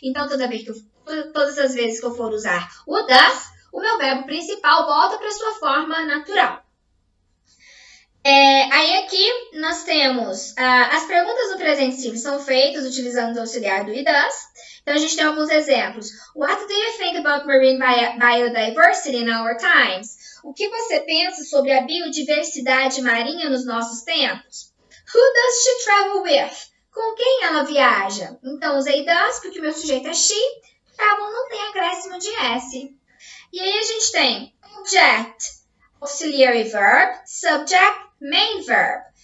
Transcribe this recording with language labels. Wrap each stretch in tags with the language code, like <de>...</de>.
<pt>Então, todas as vezes que eu for usar o does, o meu verbo principal volta para sua forma natural. Aí aqui nós temos as perguntas do presente simples são feitas utilizando o auxiliar do e does. Então a gente tem alguns exemplos.</pt> <en>What do you think about marine biodiversity in our times?</en> <pt>O que você pensa sobre a biodiversidade marinha nos nossos tempos?</pt> <en>Who does she travel with?</en> <pt>Com quem ela viaja? Então usei does porque o meu sujeito é she, travel não tem acréscimo de s. E aí a gente tem object, auxiliary verb, subject, main verb.</pt>